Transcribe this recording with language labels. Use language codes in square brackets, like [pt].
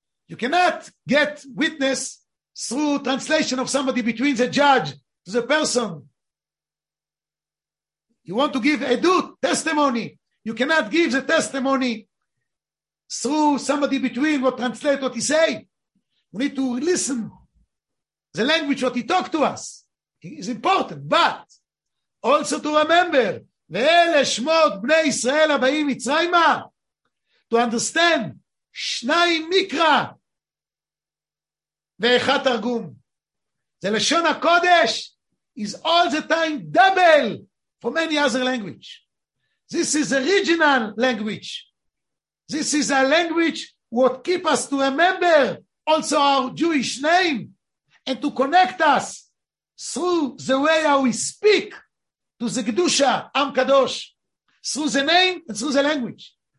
[en] You cannot get witness through translation of somebody between the judge to the person. You want to give a due testimony. You cannot give the testimony through somebody between what translate what he say. We need to listen the language what he talk to us. It is important. But also to remember, [he] ואלה שמות בני ישראל הבאים מצרימה, [en] to understand [he] שניים מקרא ואחד תרגום. זה לשון הקודש [en] is all the time double from any other language. This is a regional language. This is a language what keep us to remember also our Jewish name and to connect us through the way how we speak to the Kedusha, Am Kadosh, through the name and through the language.